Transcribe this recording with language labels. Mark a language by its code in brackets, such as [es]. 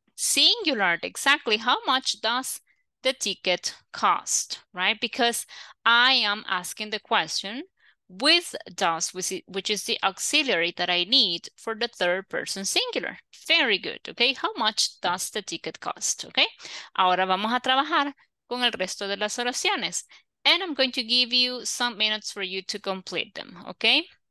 [en] Singular, exactly. How much does the ticket cost, right? Because I am asking the question with does, which is the auxiliary that I need for the third person singular. Very good, okay? How much does the ticket cost, okay? [es] Ahora vamos a trabajar con el resto de las oraciones. [en] And I'm going to give you some minutes for you to complete them, okay?